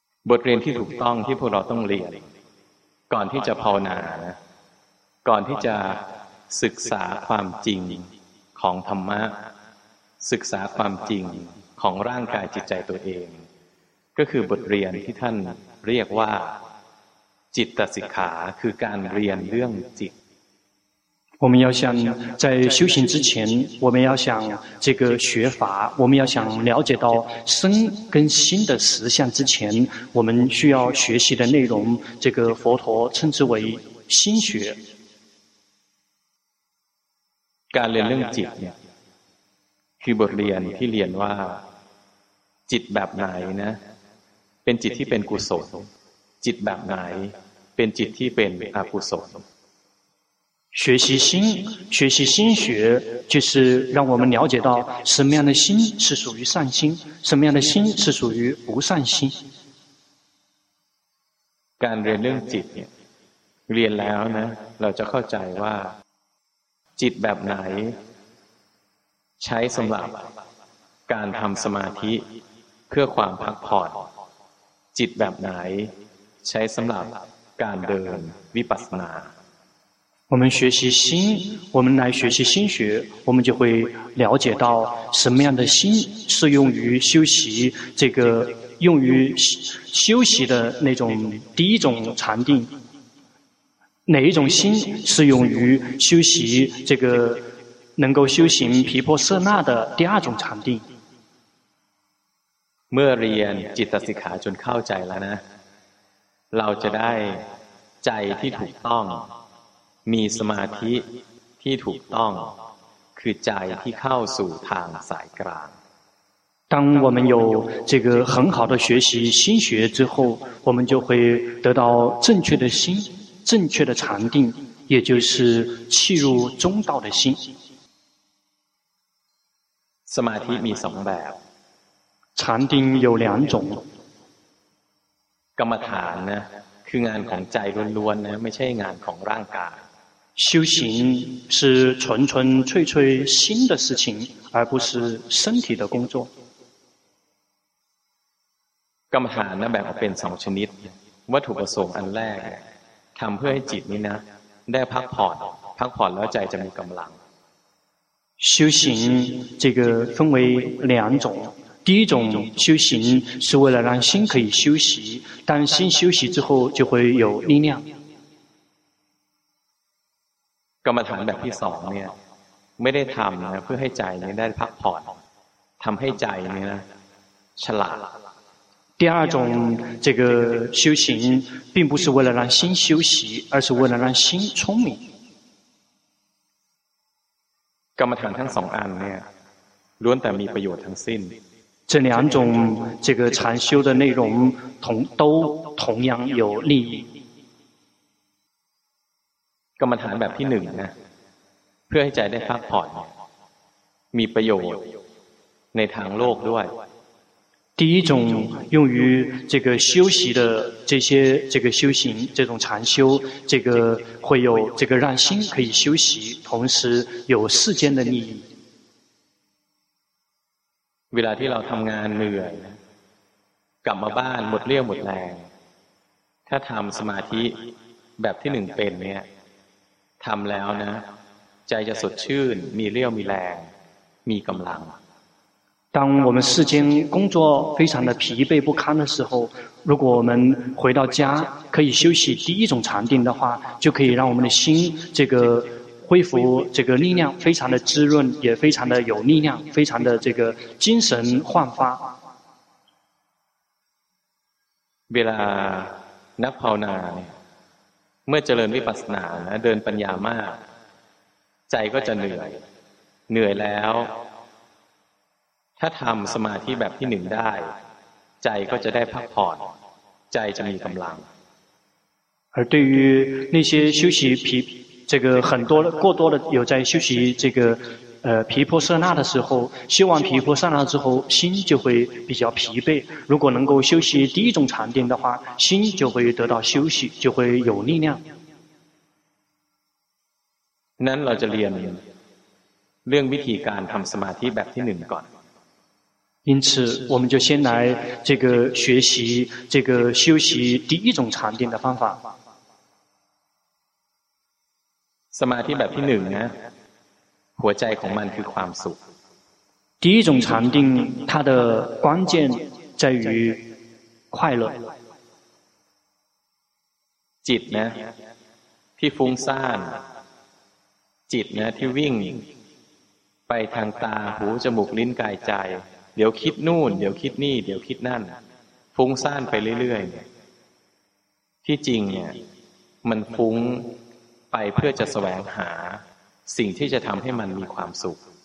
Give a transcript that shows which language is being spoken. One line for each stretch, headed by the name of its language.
Thai: บทเรียนที่ถูกต้องที่พวกเราต้องเรียนก่อนที่จะภาวนาก่อนที่จะศึกษาความจริงของธรรมะศึกษาความจริงของร่างกายจิตใจตัวเองก็คือบทเรียนที่ท่านเรียกว่าจิตตสิกขาคือการเรียนเรื่องจิต
Chinese: 我们要想在修行之前我们要想这个学法我们要想了解到身跟心的实相之前我们需要学习的内容这个佛陀称之为心学
Thai: การเรียนเรื่องจิตเนี่ยคือบทเรียนที่เรียนว่าจิตแบบไหนนะเป็นจิตที่เป็นกุศลจิตแบบไหนเป็นจิตที่เป็นอกุศล
Chinese: 学习心学习心学就是让我们了解到什么样的心是属于善心什么样的心是属于不善心
Thai: การเรียนเรื่องจิตเนี่ยเรียนแล้วนะเราจะเข้าใจว่าจิตแบบไหนใช้สำหรับการทำสมาธิเพื่อความพักผ่อนจิตแบบไหนใช้สำหรับการเดินวิปัสสนา
Chinese: 我们学习心我们来学习心学我们就会了解到什么样的心是用于修习这个用于休息的那种第一种禅定哪一种心是用于修习这个能够修行毗婆舍那的第二种禅定
Thai: เมื่อเรียนจิตสิกขาจนเข้าใจแล้วนะเราจะได้ใจที่ถูกต้องมีสมาธิที่ถูกต้องคือใจที่เข้าสู่ทางสายกลาง
Chinese: 当我们有这个很好的学习心学之后我们就会得到正确的心正确的禅定也就是契入中道的心
Thai: สมาธิมีสองแบบ
Chinese: 禅定有两种
Thai: กรรมฐานนะคืองานของใจล้วนๆนะไม่ใช่งานของร่างกาย
Chinese: 修行是纯纯粹粹心的事情而不是身体的工作
Thai: กรรมฐานนะแบ่งออกเป็นสองชนิดวัตถุประสงค์อันแรกทำเพื่อให้จิตนี้นะได้พักผ่อนพักผ่อนแล้วใจจะมีกำลัง
Chinese: 修行这个分为两种第一种修行是为了让心可以休息，当心休息之后就会有力量。
Thai: กรรมฐานแบบที่สองเนี่ยไม่ได้ทำนะเพื่อให้ใจนี้ได้พักผ่อนทำให้ใจนี้นะฉลาด
Chinese: 第二种这个修行并不是为了让心休息，而是为了让心聪明。
Thai: กรรมฐานทั้งสองอันเนี่ยล้วนแต่มีประโยชน์ทั้งสิ้น
Chinese: 这两种这个禅修的内容都同样有利益。
Thai: กรรมฐานแบบที่หนึ่งนะเพื่อให้ใจได้พักผ่อนมีประโยชน์ในทางโลกด้วย
Chinese: 第一种用于这个休息的这些这个修行这种禅修，这个会有这个让心可以休息，同时有世间的利益。
Thai: เวลาที่เราทำงานเหนื่อยกลับมาบ้านหมดเรี่ยวหมดแรงถ้าทำสมาธิแบบที่หนึ่งเป็นเนี่ยทำแล้วนะใจจะสดชื่นมีเรี่ยวมีแรงมีกำลัง
Chinese: 当我们世间工作非常的疲惫不堪的时候，如果我们回到家可以休息第一种禅定的话，就可以让我们的心这个恢复这个力量，非常的滋润，也非常的有力量，非常的这个精神焕发。
Thai: เวลานักภาวนาเมื่อเจริญวิปัสสนาเดินปัญญามากใจก็จะเหนื่อยเหนื่อยแล้วถ้าทำสมาธิแบบที่หนึ่งได้ใจก็จะได้พักผ่อนใจจะมีกำลัง
Chinese: 而对于那些修习毗这个很多的过多的有在修习这个毗婆舍那的时候，修完毗婆舍那之后，心就会比较疲惫。如果能够修习第一种禅定的话，心就会得到休息，就会有力量。
Thai: นั้นเราจะเรียนเรื่องวิธีการทำสมาธิแบบที่หนึ่งก่อน
Chinese: 因此我们就先来这个学习这个修习第一种禅定的方法
Thai: สมาธิแบบที่หนึ่งนะหัวใจของมันคือความสุข
Chinese: 第一种禅定它的关键在于快乐
Thai: จิตนะที่ฟุ้งซ่านจิตนะที่วิ่งไปทางตาหูจมูกลิ้นกายใจเดี๋ยวคิดนู่นเดี๋ยวคิดนี่เดี๋ยวคิดนั่นฟุ้งซ่านไปเรื่อยๆที่จริงเนี่ยมันฟุ้งไปเพื่อจะแสวงหาสิ่งที่จะทำให้มันมีความสุข